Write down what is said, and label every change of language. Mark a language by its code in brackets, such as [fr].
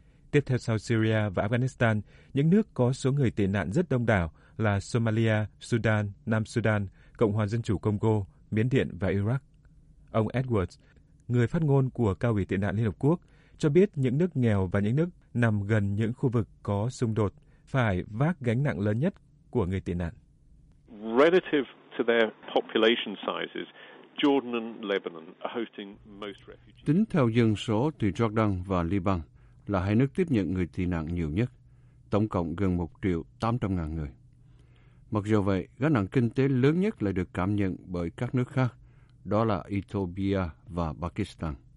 [vi] Tiếp theo sau Syria và Afghanistan, những nước có số người tị nạn rất đông đảo là Somalia, Sudan, Nam Sudan, Cộng hòa Dân chủ Congo, Miến Điện và Iraq. Ông Edwards, người phát ngôn của Cao ủy tị nạn Liên Hợp Quốc, cho biết những nước nghèo và những nước nằm gần những khu vực có xung đột phải vác gánh nặng lớn nhất của người tị nạn. [en] Relative to their population sizes, Jordan and Lebanon are hosting most refugees. [vi] Tính theo dân số thì Jordan và Liban là hai nước tiếp nhận người tị nạn nhiều nhất, tổng cộng gần 1.800.000 người. Mặc dù vậy, gánh nặng kinh tế lớn nhất lại được cảm nhận bởi các nước khác, đó là Ethiopia và Pakistan.